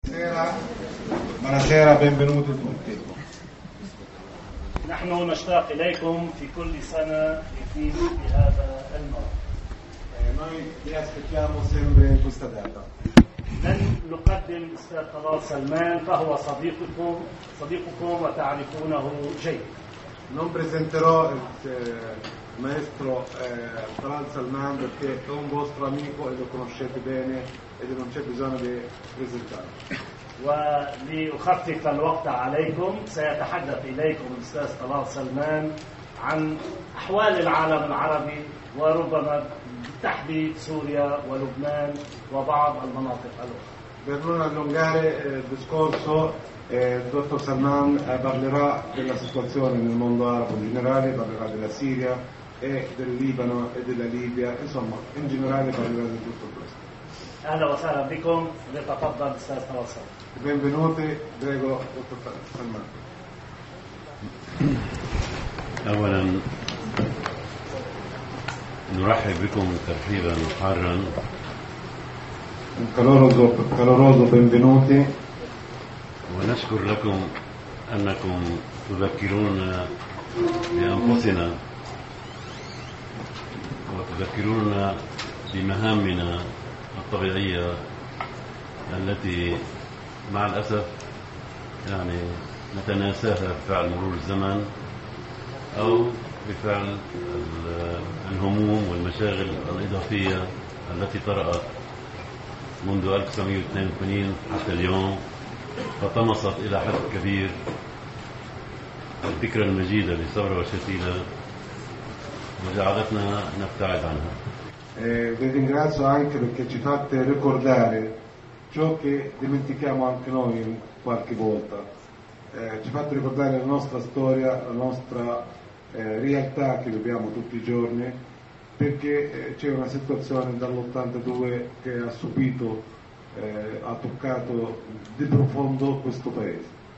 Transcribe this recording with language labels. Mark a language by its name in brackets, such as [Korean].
[Italian] Buonasera, benvenuti tutti. Noi vi aspettiamo sempre in questa data. [Arabic] لن نقدم استاذ طلال سلمان فهو صديقكم صديقكم وتعرفونه جيد. [Italian] Non presenterò il maestro Talal Salman perché è un vostro amico e lo conoscete bene ed non c'è bisogno di presentarlo. [Arabic] ولأخفف الوقت عليكم سيتحدث إليكم الأستاذ طلال سلمان عن أحوال العالم العربي وربما بالتحديد سوريا ولبنان وبعض المناطق الأخرى. [Italian] Per non allungare il discorso, il dottor Salman parlerà della situazione nel mondo arabo in generale, parlerà della Siria e del Libano e della Libia, insomma, in generale parlerà di tutto questo. [Arabic] أهلا وسهلا بكم لتفضل أستاذ طلال سلمان. [Italian] Benvenuti, prego, dottor Salman. [Arabic] أولا نرحب بكم ترحيبا حارا. [Italian] Caloroso benvenuti. [Arabic] ونشكر لكم أنكم تذكرون بأنفسنا وتذكرون بمهامنا الطبيعية التي مع الأسف يعني نتناساها بفعل مرور الزمن أو بفعل الهموم والمشاغل الإضافية التي طرأت منذ 1982 حتى اليوم فطمست إلى حد كبير الذكرى المجيدة لثورة وشتيلة وجعلتنا نبتعد عنها. [Italian] Vi ringrazio anche perché ci fate ricordare ciò che dimentichiamo anche noi qualche volta. Ci fate ricordare la nostra storia, la nostra realtà che viviamo tutti i giorni, perché c'è una situazione dall'82 che ha subito, ha toccato di profondo questo paese.